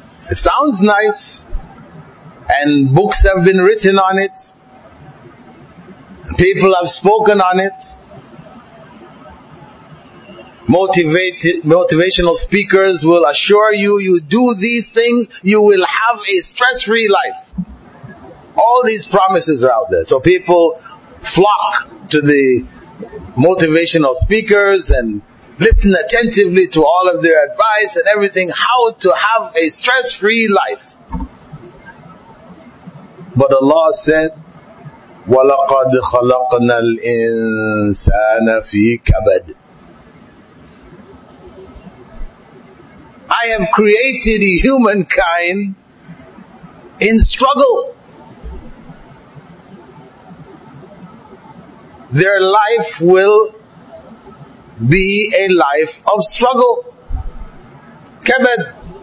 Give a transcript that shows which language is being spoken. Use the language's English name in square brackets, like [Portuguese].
[English] It sounds nice, and books have been written on it, people have spoken on it, motivational speakers will assure you, you do these things, you will have a stress-free life. All these promises are out there. So people flock to the motivational speakers and listen attentively to all of their advice and everything, how to have a stress-free life. But Allah said, [Arabic] وَلَقَدْ خَلَقْنَا الْإِنسَانَ فِي كَبَدٍ. [English] I have created humankind in struggle. Their life will be a life of struggle. Kebed.